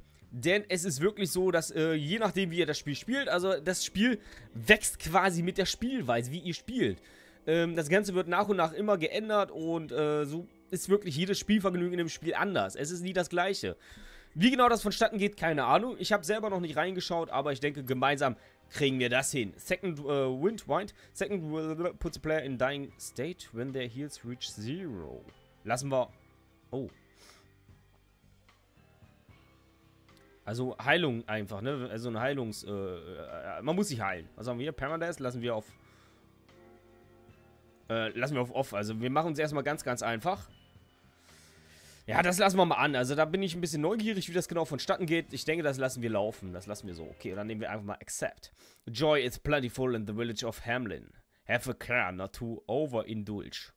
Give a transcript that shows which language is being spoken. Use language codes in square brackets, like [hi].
[de] Denn es ist wirklich so, dass je nachdem, wie ihr das Spiel spielt, also das Spiel wächst quasi mit der Spielweise, wie ihr spielt. Das Ganze wird nach und nach immer geändert und so. Ist wirklich jedes Spielvergnügen in dem Spiel anders. Es ist nie das gleiche. Wie genau das vonstatten geht, keine Ahnung. Ich habe selber noch nicht reingeschaut, aber ich denke, gemeinsam kriegen wir das hin. [en] Second will put the player in dying state when their heals reach zero. [de] Lassen wir... Oh. Also Heilung einfach, ne? Also ein Heilungs... man muss sich heilen. Was haben wir hier? Paradise lassen wir auf... lassen wir auf off. Also wir machen uns erstmal ganz, ganz einfach. Ja, das lassen wir mal an. Also da bin ich ein bisschen neugierig, wie das genau vonstatten geht. Ich denke, das lassen wir laufen. Das lassen wir so. Okay, dann nehmen wir einfach mal Accept. [en] Joy is plentiful in the village of Hamelin. Have a care not to overindulge.